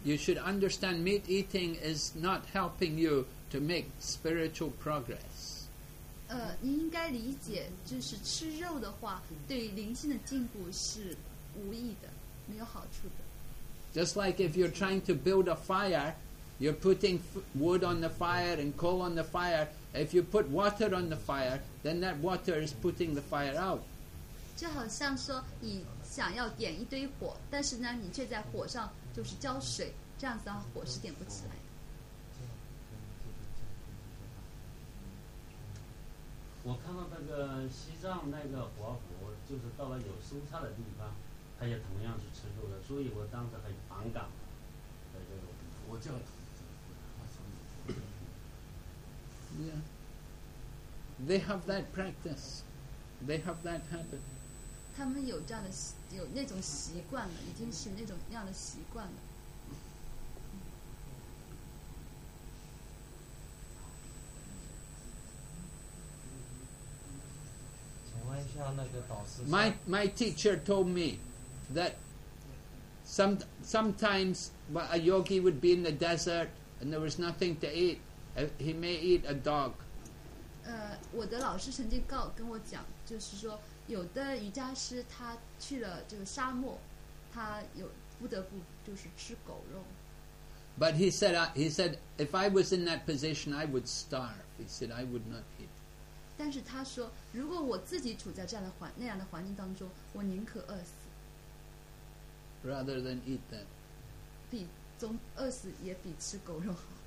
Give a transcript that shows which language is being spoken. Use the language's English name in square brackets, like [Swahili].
[English] You should understand meat eating is not helping you to make spiritual progress. [Chinese] 你应该理解，就是吃肉的话，对灵性的进步是无益的，没有好处的。 [English] Just like if you're trying to build a fire. You're putting wood on the fire and coal on the fire. If you put water on the fire, then that water is putting the fire out. [Chinese] 就好像说你想要点一堆火，但是呢，你却在火上就是浇水，这样子的话，火是点不起来的。我看到那个西藏那个活佛，就是到了有蔬菜的地方，他也同样是吃肉的，所以我当时很反感。我叫。 [English] Yeah. They have that practice. They have that habit. [Chinese] 他们有这样的有那种习惯了，已经是那种那样的习惯了。请问 [English] My teacher told me that sometimes a yogi would be in the desert and there was nothing to eat. He may eat a dog. [Chinese] 我的老师曾经跟我讲，就是说有的瑜伽师他去了这个沙漠，他有不得不就是吃狗肉。 [English] But he said, if I was in that position, I would starve. He said, I would not eat. [Chinese] 但是他说，如果我自己处在这样的环那样的环境当中，我宁可饿死。 [English] Rather than eat that. [Chinese] 比总饿死也比吃狗肉好。